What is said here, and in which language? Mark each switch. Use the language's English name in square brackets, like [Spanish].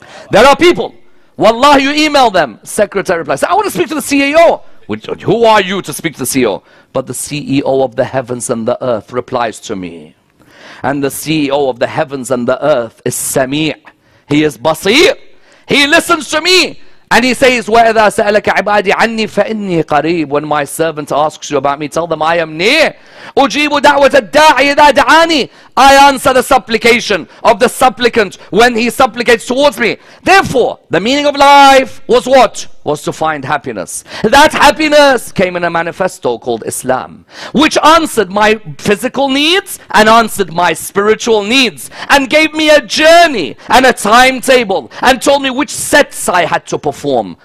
[English] There are people, wallahi, you email them, secretary replies. I want to speak to the CEO. Who are you to speak to the CEO? But the CEO of the heavens and the earth replies to me. And the CEO of the heavens and the earth is Sami'. He is Basir. He listens to me. And he says, [Arabic] وَإِذَا سَأَلَكَ عِبَادِي عَنِّي فَإِنِّي قَرِيبٌ. [English] When my servant asks you about me, tell them I am near. [Arabic] أُجِيبُ دَعْوَةَ الدَّاعِ إِذَا دَعَانِي. [English] I answer the supplication of the supplicant when he supplicates towards me. Therefore, the meaning of life was what? Was to find happiness. That happiness came in a manifesto called Islam, which answered my physical needs and answered my spiritual needs and gave me a journey and a timetable and told me which sets I had to perform.